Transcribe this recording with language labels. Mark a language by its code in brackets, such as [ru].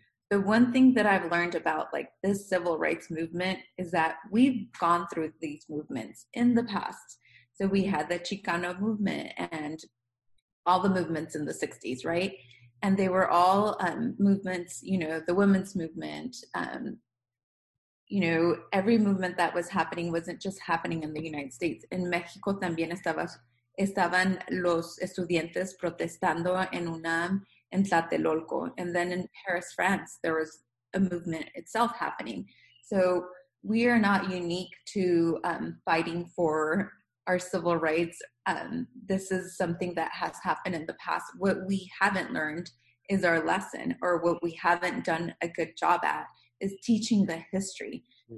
[en] The one thing that I've learned about like this civil rights movement is that we've gone through these movements in the past. So we had the Chicano movement and all the movements in the 60s, right? And they were all movements, you know, the women's movement, you know, every movement that was happening wasn't just happening in the United States. [es] In Mexico también estaban los estudiantes protestando en UNAM, en Tlatelolco. [en] And then in Paris, France, there was a movement itself happening. So we are not unique to fighting for our civil rights. This is something that has happened in the past. What we haven't learned is our lesson, or what we haven't done a good job at is teaching the history. Mm-hmm.